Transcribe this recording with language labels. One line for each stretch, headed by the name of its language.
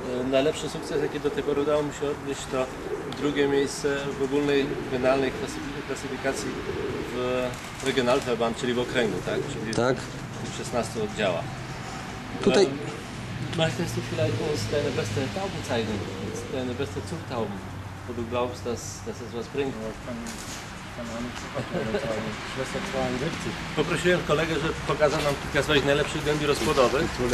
Polish: Najlepszy sukces, jaki do tej pory udało mu się odnieść, to drugie miejsce w ogólnej finalnej klasyfikacji w Regionalverband, czyli w okręgu, tak? Czyli tak. W 16 oddziała. Tutaj.
German: Möchte jest vielleicht uns deine beste Tauben zeigen? Deine beste Zuchttauben? Wo du glaubst, dass es was bringt?
Polish: Poprosiłem kolegę, żeby pokazał nam kilka swoich najlepszych gołębi rozpłodowych.